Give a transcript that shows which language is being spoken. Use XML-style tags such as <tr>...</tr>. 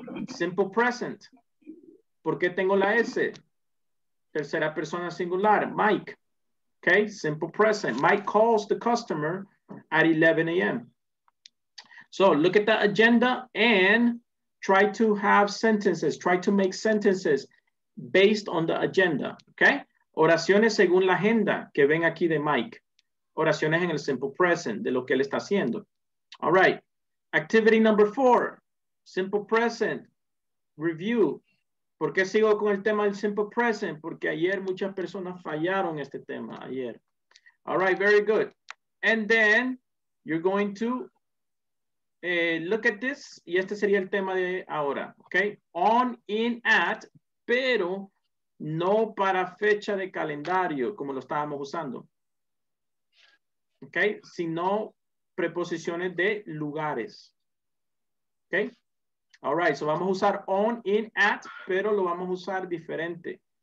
<es>Simple present. ¿Por qué tengo la S? Tercera persona singular, Mike.</es> <en>Okay, simple present. Mike calls the customer at 11 a.m. So look at the agenda and try to have sentences. Try to make sentences based on the agenda, okay?</en> <es>Oraciones según la agenda que ven aquí de Mike. Oraciones en el simple present de lo que él está haciendo.</es> <en>All right. Activity number four. Simple present. Review.</en> <es>¿Por qué sigo con el tema del simple present? Porque ayer muchas personas fallaron este tema ayer.</es> <en>All right. Very good. And then you're going to look at this.</en> <es>Y este sería el tema de ahora. Okay. On, in, at, pero... No para fecha de calendario, como lo estábamos usando. Okay? Sino preposiciones de lugares. Okay?</es> <en>All right.</en> <es>So vamos a usar on, in, at, pero lo vamos a usar diferente.</es>